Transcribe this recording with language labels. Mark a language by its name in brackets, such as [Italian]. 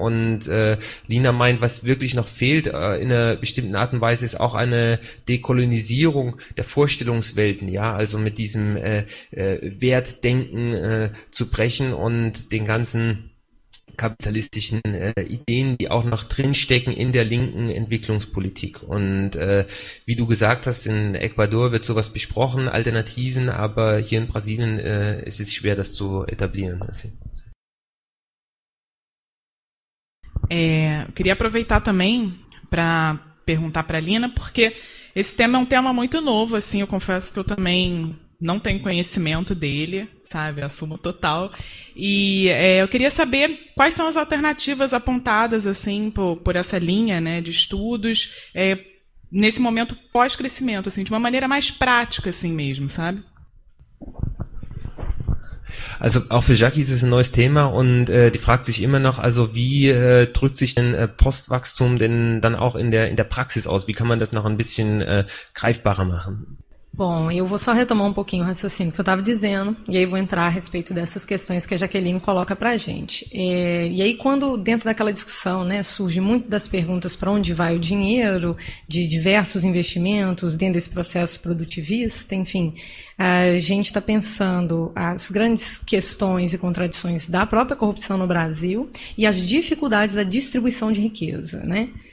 [German] Und Lina meint, was wirklich noch fehlt in einer bestimmten Art und Weise, ist auch eine Dekolonisierung der Vorstellungswelten, ja, also mit diesem Wertdenken zu brechen und den ganzen kapitalistischen Ideen, die auch noch drinstecken in der linken Entwicklungspolitik. Und wie du gesagt hast, in Ecuador wird sowas besprochen, Alternativen, aber hier in Brasilien ist es schwer, das zu etablieren. [Portuguese] Queria aproveitar também para perguntar para Lina, porque esse tema é tema muito novo, assim, eu confesso que eu também não tenho conhecimento dele, sabe, assumo total, e eu queria saber quais são as alternativas apontadas, assim, por essa linha, né, de estudos, nesse momento pós-crescimento, assim, de uma maneira mais prática, assim, mesmo, sabe? [German] Also auch für Jackie ist es ein neues Thema und die fragt sich immer noch, also wie drückt sich denn Postwachstum denn dann auch in der Praxis aus, wie kann man das noch ein bisschen greifbarer machen? [Portuguese] Bom, eu vou só retomar um pouquinho o raciocínio que eu estava dizendo, e aí vou entrar a respeito dessas questões que a Jaqueline coloca para a gente. E aí quando, dentro daquela discussão, né, surge muito das perguntas para onde vai o dinheiro de diversos investimentos dentro desse processo produtivista, enfim, a gente está pensando as grandes questões e contradições da própria corrupção no Brasil e as dificuldades da distribuição de riqueza, né?